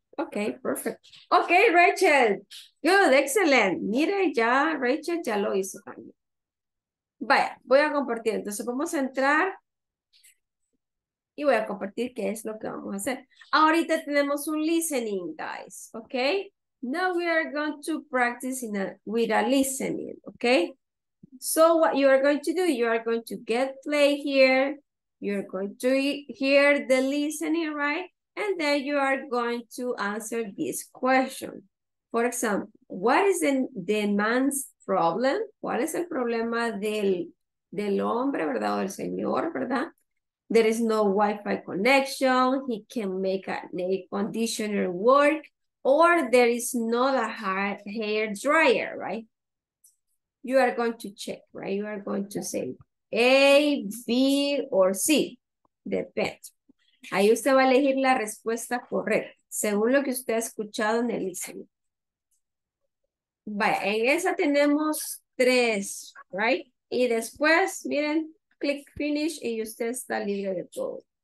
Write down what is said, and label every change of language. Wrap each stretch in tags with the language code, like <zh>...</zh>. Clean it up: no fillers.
<en>Ok, perfecto. Ok, Rachel. Good, excellent.</en> <es>Mire, ya Rachel ya lo hizo también. Vaya, voy a compartir. Entonces vamos a entrar... Y voy a compartir qué es lo que vamos a hacer. Ahorita tenemos un listening, guys. ¿Ok?</es> <en>Now we are going to practice with a listening. ¿Ok? So what you are going to do, you are going to get play here. You are going to hear the listening, right? And then you are going to answer this question. For example, what is the man's problem?</en> <es>¿Cuál es el problema del hombre, verdad? O del señor, ¿verdad?</es> <en>There is no Wi-Fi connection. He can make an air conditioner work. Or there is not a hair dryer, right? You are going to check, right? You are going to say A, B, or C.</en> <es>Depende. Ahí usted va a elegir la respuesta correcta, según lo que usted ha escuchado en el listening. Vaya, en esa tenemos tres, right? Y después, miren...</es> <en>Click finish</en> <es>y usted está libre de todo.</es>